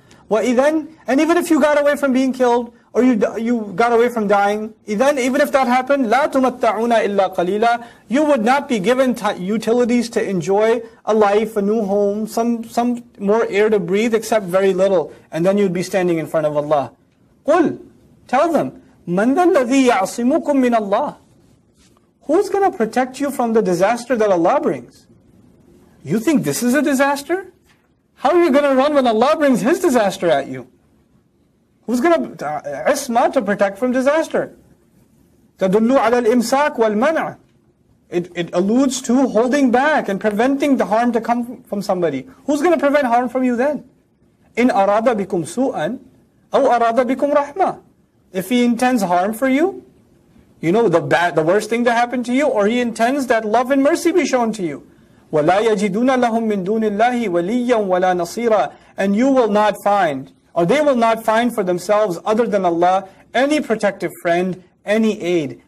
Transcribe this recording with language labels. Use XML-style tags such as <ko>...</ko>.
<ar>وَإِذَنْ,</ar> <en>and even if you got away from being killed, or you got away from dying, then even if that happened,</en> <ar>لَا تُمَتَّعُونَ إِلَّا قَلِيلًا.</ar> <en>You would not be given utilities to enjoy a life, a new home, some more air to breathe, except very little. And then you'd be standing in front of Allah.</en> <ar>قُلْ,</ar> <en>tell them,</en> <ar>مَنْ الَّذِي يَعْصِمُكُمْ مِنَ اللَّهِ.</ar> <en>Who's going to protect you from the disaster that Allah brings? You think this is a disaster? How are you going to run when Allah brings His disaster at you? Who's going to isma to protect from disaster?</en> <ar>تَدُلُّ عَلَى الْإِمْسَاكِ وَالْمَنْعِ.</ar> <en>It alludes to holding back and preventing the harm to come from somebody. Who's going to prevent harm from you then?</en> <ar>إِنْ أَرَادَ بِكُمْ سُوءًا أَوْ أَرَادَ بِكُمْ رَحْمًا.</ar> <en>If he intends harm for you, you know, the worst thing to happen to you, or he intends that love and mercy be shown to you.</en> <ar>وَلَا يَجِدُونَ لَهُمْ مِن دُونِ اللَّهِ وَلِيًّا وَلَا نَصِيرًا.</ar> <en>And you will not find, or they will not find for themselves other than Allah, any protective friend, any aid.</en>